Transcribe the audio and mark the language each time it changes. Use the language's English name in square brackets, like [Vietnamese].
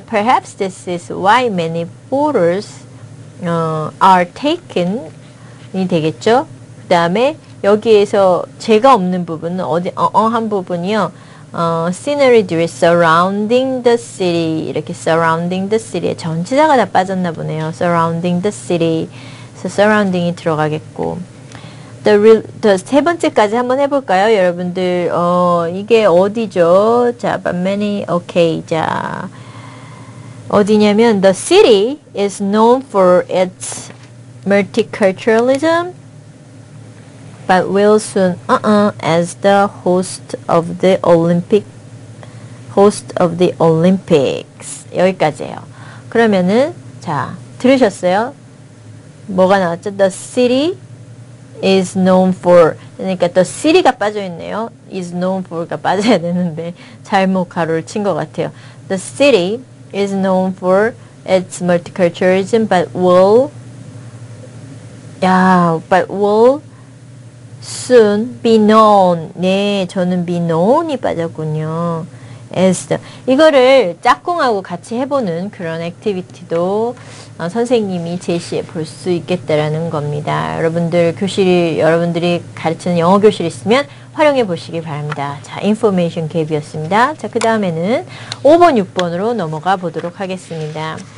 [English] Perhaps this is why many photos are taken이 되겠죠? [Korean] 그 다음에 여기에서 제가 없는 부분은 어디 한 부분이요. [English] Scenery surrounding the city [Korean] 이렇게 [English] surrounding the city [Korean] 전치사가 다 빠졌나 보네요. [English] Surrounding the city, so surrounding이 들어가겠고. [Korean] The 세 번째까지 한번 해볼까요? 여러분들, 이게 어디죠? [English] 자, but many, okay. [Korean] 자, 어디냐면, [English] the city is known for its multiculturalism, but will soon, as the host of the Olympics. [Korean] 여기까지예요. 그러면은, 자, 들으셨어요? 뭐가 나왔죠? [English] The city is known for [Korean] 그러니까 [English] the city가 빠져있네요. is known for [Korean] 가 빠져야 되는데 잘못 가로를 친 것 같아요. [English] The city is known for its multiculturalism but will soon be known. [Korean] 네, 저는 be known이 빠졌군요. [English] as the [Korean] 이거를 짝꿍하고 같이 해보는 그런 액티비티도 선생님이 제시해 볼 수 있겠다라는 겁니다. 여러분들 교실이 여러분들이 가르치는 영어 교실 있으면 활용해 보시기 바랍니다. 자, 인포메이션 갭이었습니다. 자, 그 다음에는 5번, 6번으로 넘어가 보도록 하겠습니다.